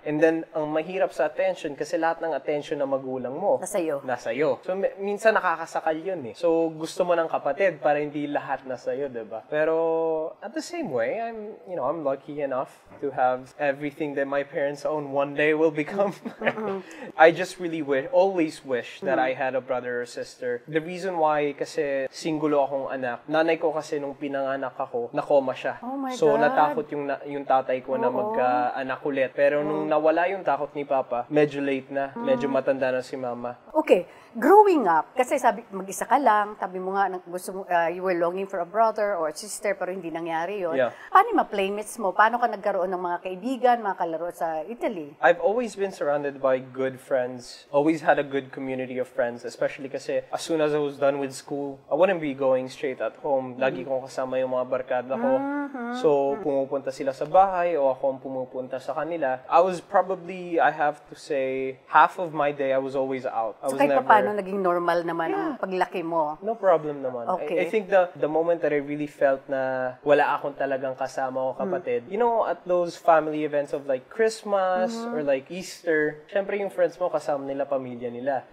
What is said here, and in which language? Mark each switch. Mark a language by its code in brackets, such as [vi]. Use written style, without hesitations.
[tl] And then, ang mahirap sa attention kasi lahat ng attention ng magulang mo nasa'yo. So, minsan nakakasakal yun eh. So, gusto mo ng kapatid para hindi lahat nasa'yo, di ba? [en] Pero, at the same way, I'm lucky enough to have everything that my parents own. One day will become. I just really always wish that I had a brother or sister. [tl] The reason why, kasi singulo akong anak. Nanay ko kasi nung pinanganak ako, nakoma siya. [en] Oh my so, [tl] Natakot yung tatay ko na magka-anak ulit. Pero nung nawala yung takot ni Papa, medyo late na. Mm-hmm. Medyo matanda na si Mama. Okay. Growing up, kasi sabi, mag-isa ka lang, sabi mo nga, [en] you were longing for a brother or a sister, [tl] pero hindi nangyari yun. [en] Yeah. [tl] Paano yung mga playmates mo? Paano ka nagkaroon ng mga kaibigan, mga kalaro sa Italy? [en] Really? I've always been surrounded by good friends. Always had a good community of friends, especially [tl] kasi [en] as soon as I was done with school, I wouldn't be going straight at home. [tl] Lagi kong kasama yung mga barkada ko. So, pumupunta sila sa bahay o ako ang pumupunta sa kanila. [en] I was probably, I have to say, half of my day, I was always out. [tl] So, kahit paano, naging normal naman ang paglaki mo? No problem naman. [en] Okay. I think the moment that I really felt [tl] na wala akong talagang kasama o kapatid, [en] you know, at those family events of like Christmas or like Easter, [tl] syempre yung friends mo, kasama nila, pamilya nila.